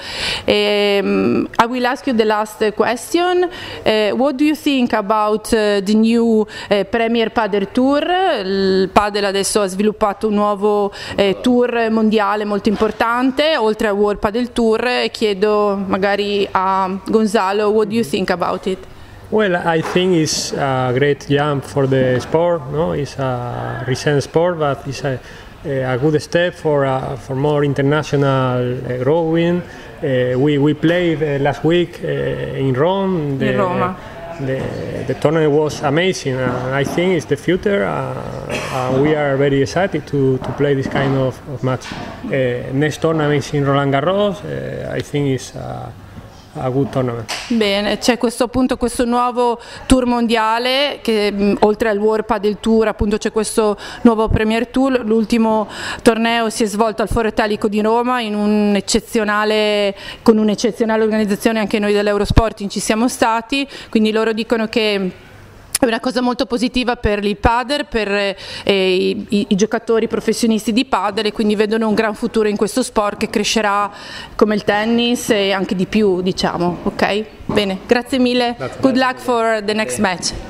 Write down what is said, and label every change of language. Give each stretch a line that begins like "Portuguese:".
English: I will ask you the last question. What do you think about the new Premier Padel Tour?
Italian: Il padel adesso ha sviluppato un nuovo tour mondiale molto importante, oltre a World Padel Tour, e chiedo magari a Gonzalo,
English: what do you think about it? Well, I think it's a great jump for the sport, no? It's a recent sport, but it's a good step for more international growing. We played last week in Rome.
Italian: In Roma.
English: The tournament was amazing. I think it's the future. We are very excited to play this kind of match. Next tournament is in Roland Garros. I think it's a good tournament.
Italian: Bene, c'è questo appunto questo nuovo tour mondiale che oltre al World Padel Tour appunto c'è questo nuovo Premier Tour. L'ultimo torneo si è svolto al Foro Italico di Roma con un'eccezionale organizzazione, anche noi dell'Eurosporting ci siamo stati, quindi loro dicono che è una cosa molto positiva per il padel, per i giocatori professionisti di padel, e quindi vedono un gran futuro in questo sport che crescerà come il tennis e anche di più, diciamo. Ok? Bene, grazie mille.
English: Good luck for the next match.